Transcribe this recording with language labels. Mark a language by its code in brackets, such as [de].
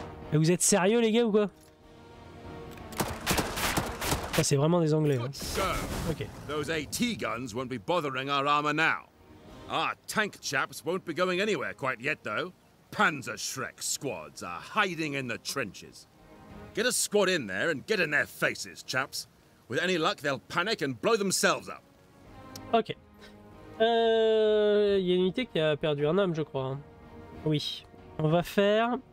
[fr] Mais vous êtes sérieux les gars ou quoi? Ça, c'est vraiment des Anglais. Ok. [en] Those AT guns won't be bothering our armor now. Our tank chaps won't be going anywhere quite yet, though. Panzer Shrek squads are hiding in the trenches. Get a squad in there and get in their faces, chaps. With any luck, they'll panic and blow themselves up. [fr] Ok. Il y a une unité qui a perdu un homme, je crois. Oui. On va faire.